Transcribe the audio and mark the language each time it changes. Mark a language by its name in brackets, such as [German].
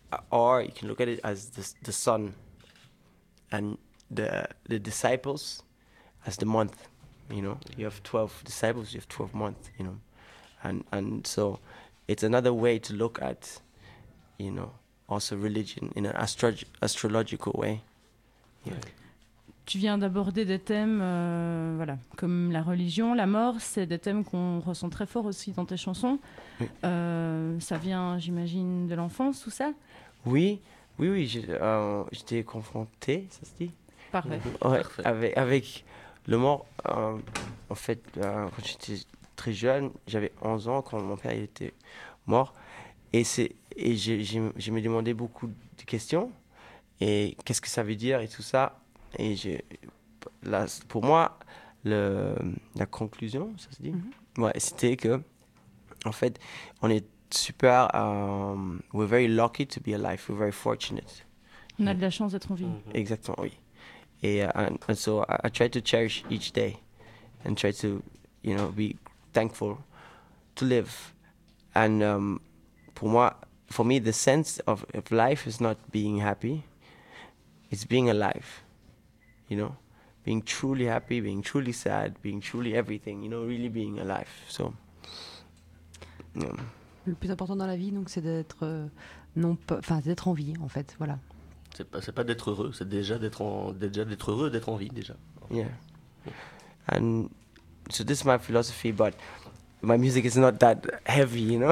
[English] or you can look at it as the sun and the disciples as the month, you know. You have 12 disciples, you have 12 months, you know. And so it's another way to look at, you know, also religion in an astrological way. Yeah. Okay. [French] Tu viens d'aborder des thèmes voilà, comme la religion, la mort, c'est des thèmes qu'on ressent très fort aussi dans tes chansons. Oui. Ça vient, j'imagine, de l'enfance, tout ça? Oui, oui, oui, j'étais confronté, ça se dit. Parfait. Avec le mort, en fait, quand j'étais très jeune, j'avais 11 ans quand mon père était mort. Et je me demandais beaucoup de questions. Et qu'est-ce que ça veut dire et tout ça? Et pour moi, la conclusion, ça se dit, ouais, c'était que, en fait, on est super, [English] we're very lucky to be alive, we're very fortunate. [French] On a de la chance d'être en vie. Mm-hmm. Exactement, oui. [English] And so I try to cherish each day and try to, you know, be thankful to live. And for me, the sense of life is not being happy, it's being alive. You know, being truly happy, being truly sad, being truly everything, you know, really being alive. So, yeah. [French] Le plus important dans la vie, donc, c'est d'être, d'être en vie, en fait, voilà. C'est pas d'être heureux, c'est déjà d'être heureux, d'être en vie, déjà. [English] Okay. Yeah. And so this is my philosophy, but my music is not that heavy, you know.